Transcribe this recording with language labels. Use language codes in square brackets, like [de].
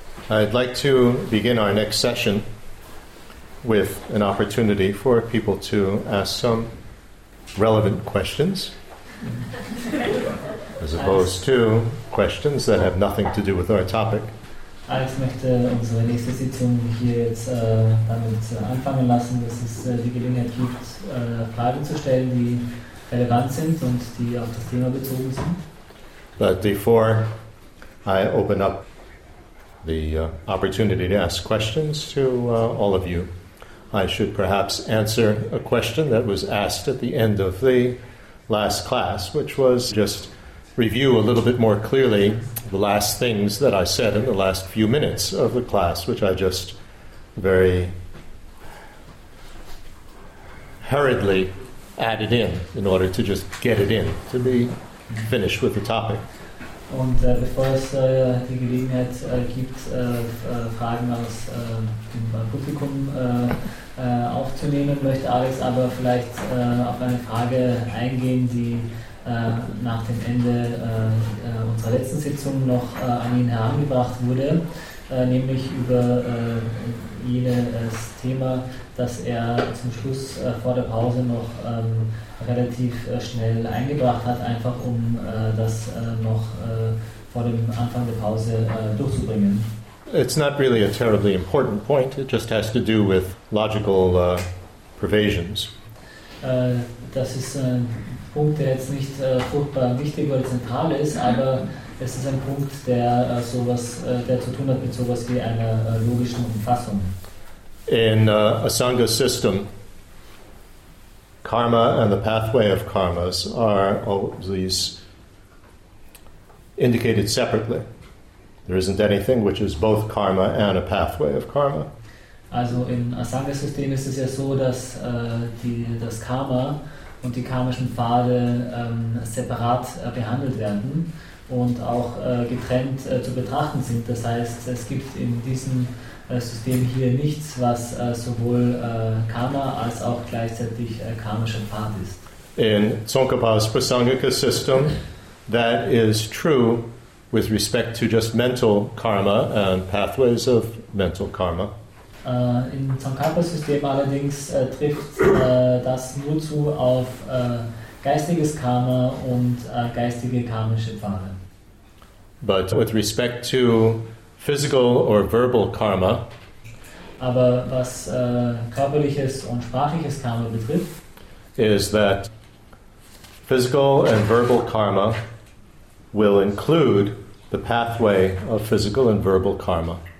[en] I'd like to begin our next session with an opportunity for people to ask some relevant questions, as opposed to questions that have nothing to do with our topic. [de] Ich möchte unsere nächste Sitzung hier jetzt damit anfangen lassen, dass es die Gelegenheit gibt, Fragen zu stellen, die relevant sind und die auf das Thema bezogen sind. [en] But before I open up the opportunity to ask questions to all of you, I should perhaps answer a question that was asked at the end of the last class, which was just review a little bit more clearly the last things that I said in the last few minutes of the class, which I just very hurriedly added in order to just get it in, to be finished with the topic. [de] Und bevor es die Gelegenheit gibt, Fragen aus dem Publikum aufzunehmen, möchte Alex aber vielleicht auf eine Frage eingehen, die nach dem Ende unserer letzten Sitzung noch an ihn herangebracht wurde, nämlich über jenes Thema, dass er zum Schluss vor der Pause noch relativ schnell eingebracht hat, einfach um das noch vor dem Anfang der Pause durchzubringen. [en] It's not really a terribly important point. It just has to do with logical pervasions. [de] Das ist ein Punkt, der jetzt nicht furchtbar wichtig oder zentral ist, aber es ist ein Punkt, der sowas, der zu tun hat mit sowas wie einer logischen Umfassung. [en] In a Sangha system, karma and the pathway of karmas are always indicated separately. There isn't anything which is both karma and a pathway of karma. [de] Also in a Sangha-System ist es ja so, dass das Karma und die karmischen Pfade separat behandelt werden und auch getrennt zu betrachten sind. Das heißt, es gibt in diesem System hier nichts, was sowohl Karma als auch gleichzeitig karmischer Pfad ist. [en] In Tsongkhapa's Prasangika-System, that is true with respect to just mental karma and pathways of mental karma. [de] In Tsongkhapa's System allerdings trifft das nur zu auf geistiges Karma und geistige karmische Pfade. [en] But with respect to physical or verbal karma, [de] aber was körperliches und sprachliches Karma betrifft, [en] is that physical and verbal karma will include the pathway of physical and verbal karma.